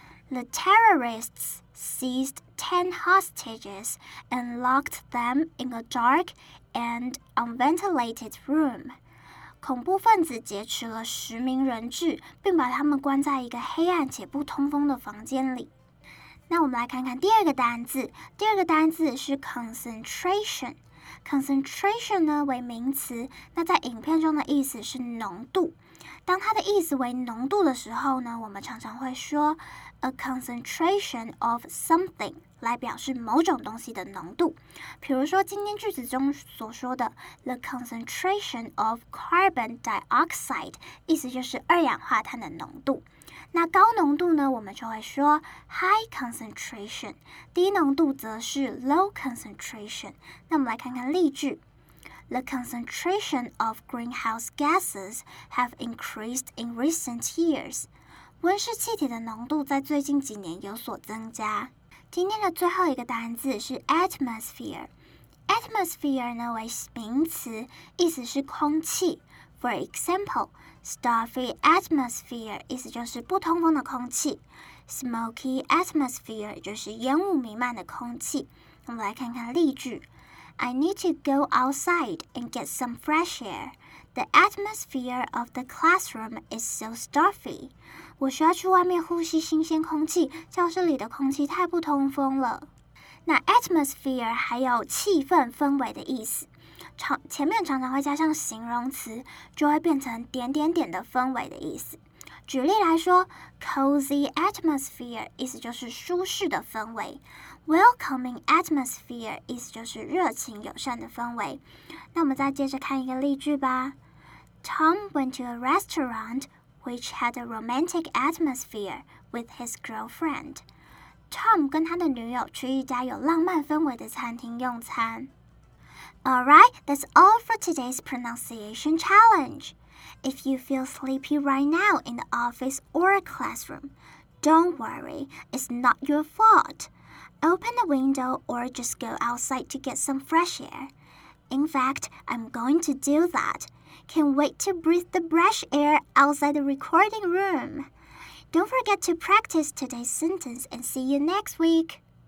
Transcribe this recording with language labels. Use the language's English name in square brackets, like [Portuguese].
[English] The terrorists seized 10 hostages and locked them in a dark and unventilated room. [Chinese] 恐怖分子劫持了十名人质，并把他们关在一个黑暗且不通风的房间里。那我们来看看第二个单字。第二个单字是 concentration。Concentration 呢为名词，那在影片中的意思是浓度。当它的意思为浓度的时候呢，我们常常会说 [English] a concentration of something [Chinese] 来表示某种东西的浓度。比如说今天句子中所说的 [English] the concentration of carbon dioxide， [Chinese] 意思就是二氧化碳的浓度。那高浓度呢，我们就会说 [English] high concentration， [Chinese] 低浓度则是 [English] low concentration。 [Chinese] 那我们来看看例句。 [English] The concentration of greenhouse gases have increased in recent years. [Chinese] 温室气体的浓度在最近几年有所增加。今天的最后一个单字是 atmosphere。Atmosphere 呢为名词，意思是空气。 [English] For example, stuffy atmosphere [Chinese] 意思就是不通风的空气。 [English] Smoky atmosphere [Chinese] 就是烟雾弥漫的空气。我们来看看例句。 [English] I need to go outside and get some fresh air. The atmosphere of the classroom is so stuffy. [Chinese] 我需要去外面呼吸新鲜空气，教室里的空气太不通风了。那 atmosphere 还有气氛、氛围的意思，前面常常会加上形容词，就会变成点点点的氛围的意思。举例来说 ， [English] cozy atmosphere [Chinese] 意思就是舒适的氛围。 [English] Welcoming atmosphere [Chinese] 意思就是热情友善的氛围。那我们再接着看一个例句吧。 [English] Tom went to a restaurant which had a romantic atmosphere with his girlfriend. [Chinese] Tom 跟他的女友去一家有浪漫氛围的餐厅用餐。 [English] Alright, that's all for today's pronunciation challenge. If you feel sleepy right now in the office or a classroom, don't worry, it's not your fault. Open the window or just go outside to get some fresh air. In fact, I'm going to do that. Can't wait to breathe the fresh air outside the recording room. Don't forget to practice today's sentence and see you next week.